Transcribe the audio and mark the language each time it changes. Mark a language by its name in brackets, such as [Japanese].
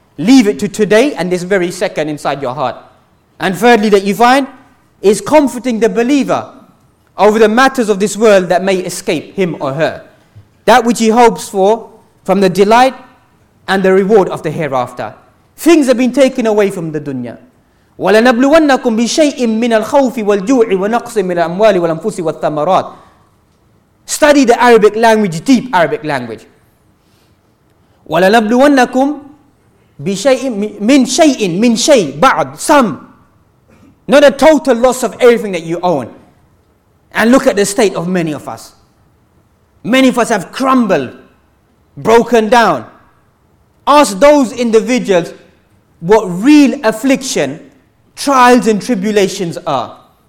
[English] Leave it to today and this very second inside your heart. And thirdly, that you find is comforting the believer over the matters of this world that may escape him or her. That which he hopes for from the delight and the reward of the hereafter. Things have been taken away from the dunya. [Arabic] وَلَنَبْلُوَنَّكُمْ بِشَيْءٍ مِّنَ الْخَوْفِ وَالْجُوعِ وَنَقْصٍ مِّنَ الْأَمْوَالِ وَالْأَنفُسِ وَالثَّمَرَاتِ [English] Study the Arabic language, deep Arabic language. [Arabic] وَلَنَبْلُوَنَّكُمْ بِشَيْءٍ مِّنْ شَيْءٍ بَعْدٍ [English] Some. Not a total loss of everything that you own. And look at the state of many of us. Many of us have crumbled, broken down. Ask those individuals what real affliction trials and tribulations are.